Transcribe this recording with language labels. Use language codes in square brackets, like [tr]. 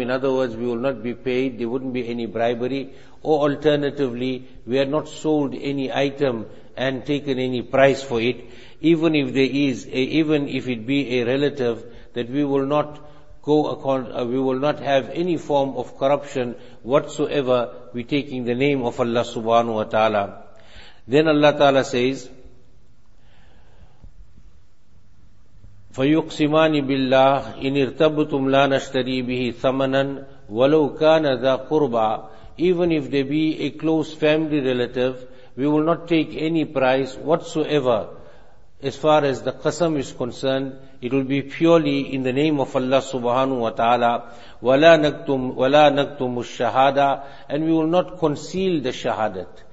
[en] In other words, we will not be paid, there wouldn't be any bribery, or alternatively, we are not sold any item and taken any price for it. Even if there is, even if it be a relative, that we will not go account, we will not have any form of corruption whatsoever, we taking the name of Allah subhanahu wa ta'ala. Then Allah Ta'ala says, [ar] فَيُقْسِمَانِ بِاللَّهِ إِنِ ارْتَبْتُمْ لَا نَشْتَرِي بِهِ ثَمَنًا وَلَوْ كَانَ ذَا قُرْبَى. [en] Even if they be a close family relative, we will not take any price whatsoever. As far as the qasam is concerned, it will be purely in the name of Allah subhanahu wa ta'ala. [ar] وَلَا نَكْتُمُ الشَّهَادَى. [en] And we will not conceal the shahadat.